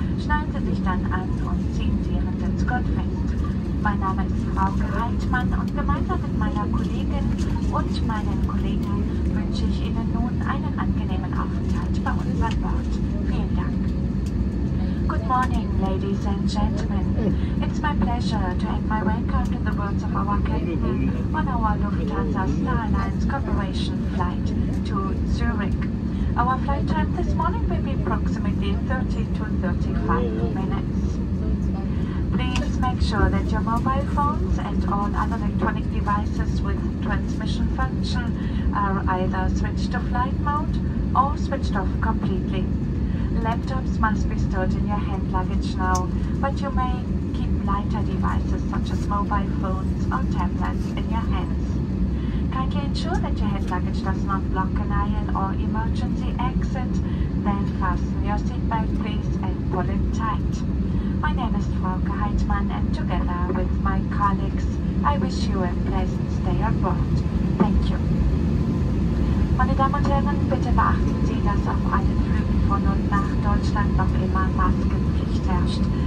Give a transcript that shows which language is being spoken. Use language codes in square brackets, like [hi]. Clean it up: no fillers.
[de] Schnallen Sie sich dann an und ziehen Sie Ihren Sitzgurt fest. Mein Name ist Frauke Heitmann und gemeinsam mit meiner Kollegin und meinen Kollegen wünsche ich Ihnen nun einen angenehmen Aufenthalt bei uns an Bord. Vielen Dank. [en] Good morning, ladies and gentlemen. It's my pleasure to add my welcome to the words of our captain on our Lufthansa Starlines Corporation flight to Zurich. Our flight time this morning will be approximately 30 to 35 minutes. Please make sure that your mobile phones and all other electronic devices with transmission function are either switched to flight mode or switched off completely. Laptops must be stored in your hand luggage now, but you may keep lighter devices such as mobile phones or tablets in your hands. Kindly ensure that your hand luggage does not block an aisle or emergency exit, then fasten your seatbelt, please, and pull it tight. My name is Volker Heitmann, and together with my colleagues, I wish you a pleasant stay aboard. Thank you. [de] Meine Damen und Herren, bitte beachten Sie, dass auf allen Flügen von und nach Deutschland noch immer Maskenpflicht herrscht.